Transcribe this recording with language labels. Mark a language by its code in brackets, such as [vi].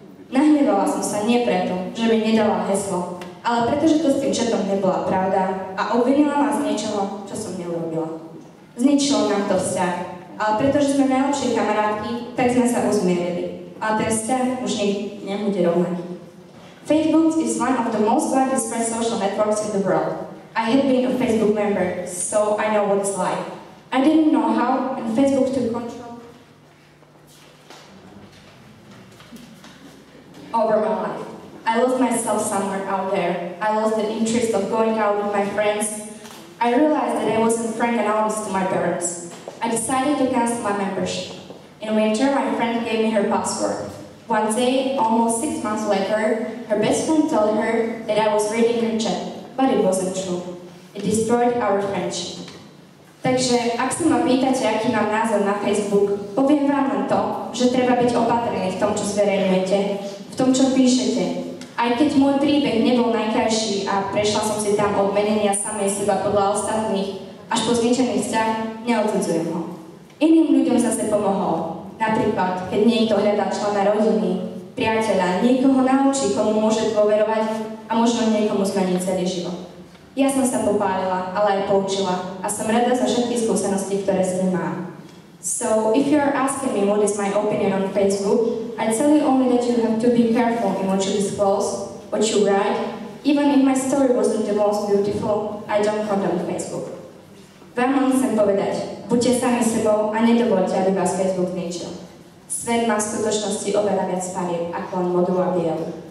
[sk] Nahnevala som sa nie preto, že mi nedala heslo, ale pretože to s tým chatom nebola pravda a obvinila ma z niečoho, čo som neurobila. Zničilo nám to vzťah, ale pretože sme najlepšie kamarátky, tak sme sa uzmierili. A ten vzťah už nikdy nebude rovnaký. [en] Facebook is one of the most widely spread social networks in the world. I had been a Facebook member, so I know what it's like. I didn't know how, and Facebook took control over my life. I lost myself somewhere out there. I lost the interest of going out with my friends. I realized that I wasn't frank and honest to my parents. I decided to cancel my membership. In winter, my friend gave me her password. One day, almost 6 months later, her best friend told her that I was reading her chat, but it wasn't true. It destroyed our friendship. [sk] Takže, ak sa ma pýtate, aký mám názor na Facebook, poviem vám len to, že treba byť opatrný v tom, čo zverejňujete, v tom, čo píšete. Aj keď môj príbeh nebol najkrajší a prešla som si tam od menenia samej seba podľa ostatných, až po zničený vzťah, neodsudzujem ho. Iným ľuďom zase pomohol. Napríklad, keď niekto hľadá člena rodiny, priateľa, niekoho naučí, komu môže dôverovať a možno niekomu zmeniť celý život. Ja som sa popálila, ale aj poučila a som rada za všetky skúsenosti, ktoré s ním mám. [en] So if you are asking me what is my opinion on Facebook, I tell you only that you have to be careful in what you disclose, what you write. Even if my story wasn't the most beautiful, I don't condemn Facebook. [sk] Vám len chcem povedať, buďte sami sebou a nedovolte, aby vás Facebook zničil. Svet má v skutočnosti oveľa viac farieb ako len modrú a bielu.